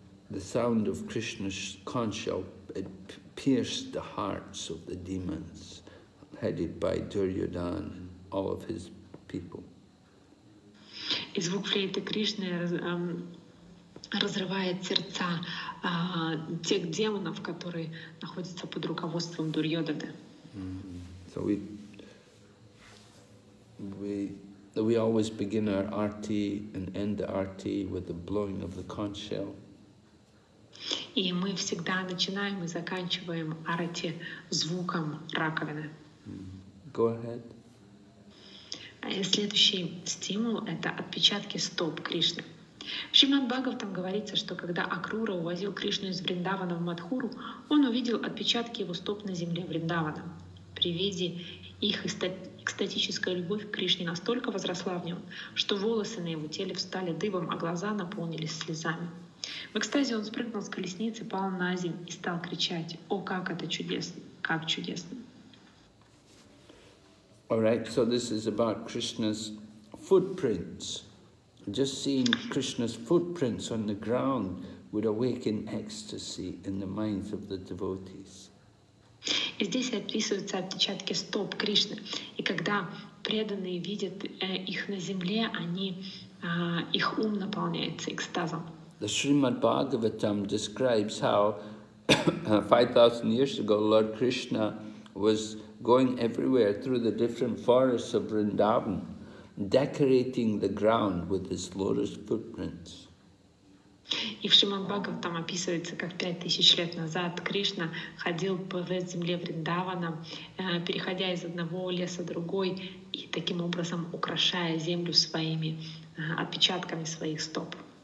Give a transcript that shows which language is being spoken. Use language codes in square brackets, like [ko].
[en] The sound of Krishna's conch shell, it pierced the hearts of the demons headed by Duryodhana and all of his [ru] И звук флейты Кришны разрывает сердца тех демонов, которые находятся под руководством Дурьодады. [en] So we always begin our arti and end the arti with the blowing of the conch shell. [ru] И мы всегда начинаем и заканчиваем арти звуком раковины. [en] Go ahead. [ru] Следующий стимул — это отпечатки стоп Кришны. В Шримад-Бхагаватам говорится, что когда Акрура увозил Кришну из Вриндавана в Матхуру, он увидел отпечатки его стоп на земле Вриндавана. При виде их экстатическая любовь к Кришне настолько возросла в нем, что волосы на его теле встали дыбом, а глаза наполнились слезами. В экстазе он спрыгнул с колесницы, пал на землю и стал кричать: «О, как это чудесно! Как чудесно!» [en] All right, so this is about Krishna's footprints. Just seeing Krishna's footprints on the ground would awaken ecstasy in the minds of the devotees. [ru] И здесь описываются отпечатки стоп Кришны. И когда преданные видят их на земле, они их ум наполняется экстазом. [en] The Srimad Bhagavatam describes how 5,000 years ago Lord Krishna was going everywhere through the different forests of Vrindavan, decorating the ground with his lotus footprints. [ru] И в Шримад-Бхагаватам описывается, как 5000 лет назад Кришна ходил по земле Вриндавана, переходя из одного леса в другой и таким образом украшая землю своими отпечатками своих стоп.